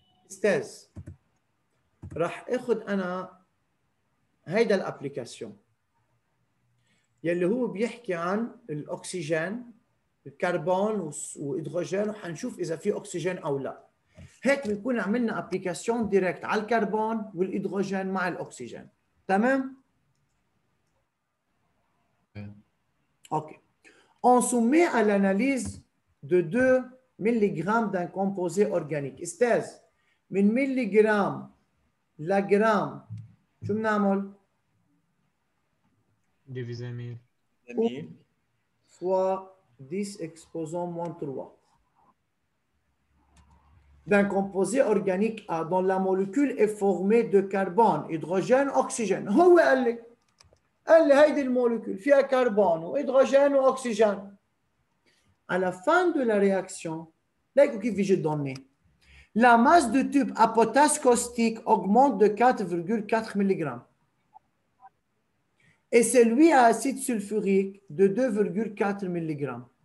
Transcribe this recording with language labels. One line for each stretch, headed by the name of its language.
Arabic: أستاذ راح أخذ أنا هيدا الأبليكاسيون يلي هو بيحكي عن الأكسجين الكربون وهيدروجين وحنشوف إذا في أكسجين أو لا. هيك بيكون عملنا أبليكاسيون ديركت على الكربون والهيدروجين مع الأكسجين. تمام؟ أوكي.
French: On soumet à l'analyse de 2 mg d'un composé organique.
Arabic: استاذ من ملي جرام لجرام شو بنعمل؟ ديفيزا 100
French: فوا 10 اكسبوزون موان 3 d'un composé organique A dont la molécule est formée de carbone, hydrogène, oxygène.
Arabic: هو قال لي هيدي المولكول فيها كربون وهيدروجين واكسجين.
French: À la fin de la réaction,
Arabic: لايكو كيف يجي الدوني.
French: La masse de tube à potasse caustique augmente de 4,4 mg. Et celui à acide sulfurique de 2,4 mg.